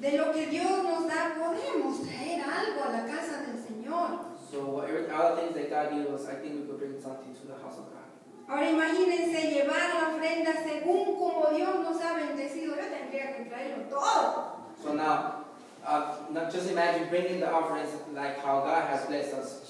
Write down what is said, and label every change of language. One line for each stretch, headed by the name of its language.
Spanish: De lo que Dios nos da, podemos traer algo a la casa del Señor.
English: So all the things that God gives us, I think we could bring something to the house of God.
Spanish: Ahora imagínense llevar la ofrenda según como Dios nos ha bendecido. Yo tendría que traerlo todo.
English: So now, just imagine bringing the offerings like how God has blessed us.